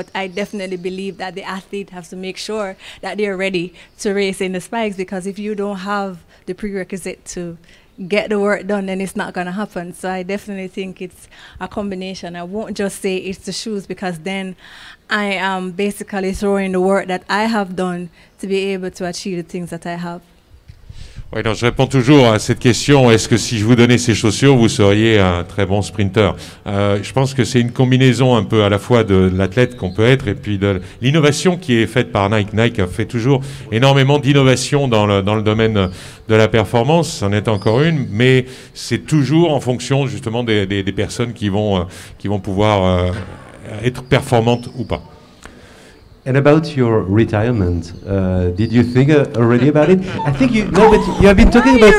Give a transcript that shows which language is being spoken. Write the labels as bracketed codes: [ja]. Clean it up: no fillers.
[en] But I definitely believe that the athlete has to make sure that they're ready to race in the spikes, because if you don't have the prerequisite to get the work done, then it's not going to happen. So I definitely think it's a combination. I won't just say it's the shoes, because then I am basically throwing the work that I have done to be able to achieve the things that I have. [fr] Oui, donc je réponds toujours à cette question. Est-ce que si je vous donnais ces chaussures, vous seriez un très bon sprinteur? Je pense que c'est une combinaison un peu à la fois de l'athlète qu'on peut être et puis de l'innovation qui est faite par Nike. Nike a fait toujours énormément d'innovation dans le domaine de la performance. C'en est encore une, mais c'est toujours en fonction justement des personnes qui vont pouvoir être performantes ou pas. [en] And about your retirement, did you think already about it? I think you know, but you have been talking about...